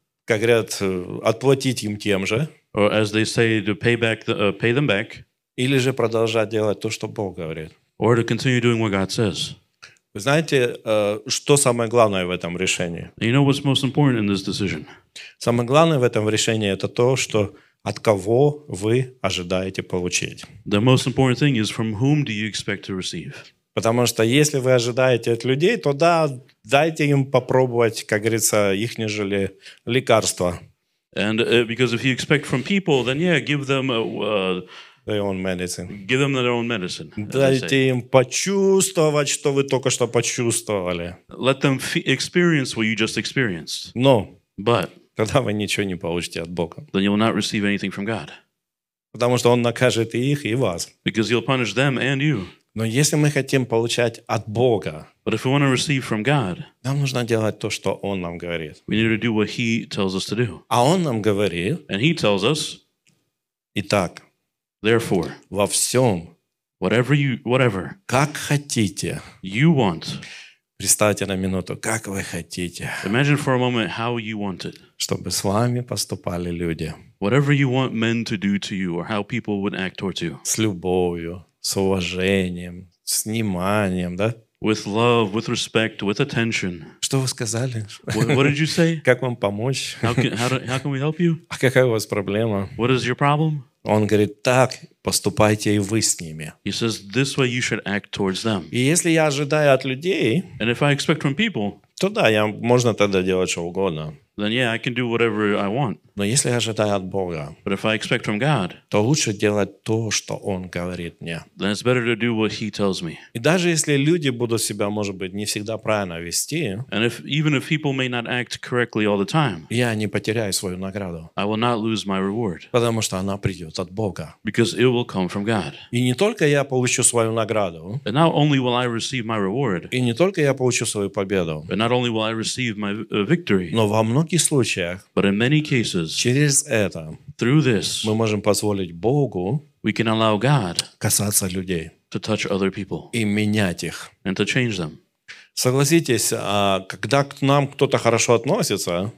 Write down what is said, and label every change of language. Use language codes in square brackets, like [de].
[ru] Как говорят, отплатить им тем же. [en] Or as they say, to pay them back. [ru] Или же продолжать делать то, что Бог говорит. [en] Or to continue doing what God says. [ru] Вы знаете, что самое главное в этом решении? [en] You know what's most important in this decision? [ru] Самое главное в этом решении – это то, что от кого вы ожидаете получить. [en] The most important thing is from whom do you expect to receive? [ru] Потому что если вы ожидаете от людей, то да, дайте им попробовать, как говорится, их нежели лекарства. [en] And because if you expect from people, then yeah, give them their own medicine. Give them their own medicine. [ru] Дайте им почувствовать, что вы только что почувствовали. [en] Let them experience what you just experienced. [ru] Но. [en] But. [ru] Тогда вы ничего не получите от Бога. [en] Then you will not receive anything from God. [ru] Потому что Он накажет и их, и вас. [en] Because He'll punish them and you. [ru] Но если мы хотим получать от Бога, [en] but if we want to receive from God, [ru] нам нужно делать то, что Он нам говорит. [en] We need to do what He tells us to do. [ru] А Он нам говорит. [en] And He tells us. [ru] Итак. [en] Therefore, [ru] во всем, [en] whatever, [ru] как хотите, [en] you want, [ru] представьте на минуту, как вы хотите, [en] imagine for a moment how you want it, [ru] чтобы с вами поступали люди, [en] whatever you want men to do to you or how people would act towards you, [ru] с любовью, с уважением, с вниманием, да? [en] With love, with respect, with attention. [ru] Что вы сказали? [en] What did you say? [ru] Как вам помочь? [en] How can we help you? [ru] А какая у вас проблема? [en] What is your problem? [ru] Он говорит, так поступайте и вы с ними. [en] He says, this way you should act towards them. [ru] И если я ожидаю от людей, [en] and if I expect from people, [ru] то да, я можно тогда делать что угодно. [en] Then yeah, I can do whatever I want. [ru] Но если я ожидаю от Бога, [en] but if I expect from God, [ru] то лучше делать то, что Он говорит мне. [en] Then it's better to do what He tells me. [ru] И даже если люди будут себя, может быть, не всегда правильно вести, [en] and if, even if people may not act correctly all the time, [ru] я не потеряю свою награду. [en] I will not lose my reward. [ru] Потому что она придет от Бога. [en] Because it will come from God. [ru] И не только я получу свою награду, [en] and not only will I receive my reward, [ru] и не только я получу свою победу, [en] and not only will I receive my victory, [ru] но во многих случаях, [en] but in many cases, [ru] через это [en] through this, [ru] мы можем позволить Богу [en] we can allow God [ru] касаться людей [en] to touch other people [ru] и менять их. [en] And to change them. [ru] Согласитесь, когда к нам кто-то хорошо относится,